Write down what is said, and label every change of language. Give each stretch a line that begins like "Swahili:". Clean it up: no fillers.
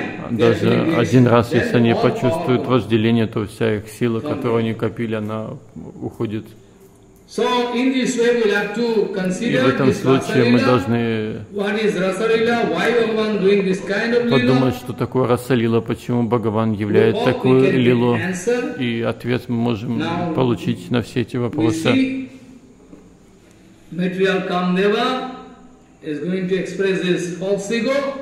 Russian: Даже один раз, если они почувствуют вожделение, то вся их сила, которую они копили, она уходит.
English: So in this way we have to consider.
Russian: И в этом случае мы должны подумать, что такое расалила, почему Бхагаван являет такую лилу, и ответ мы можем получить на все эти вопросы.
English: Material Kamdeva is going to express his false ego.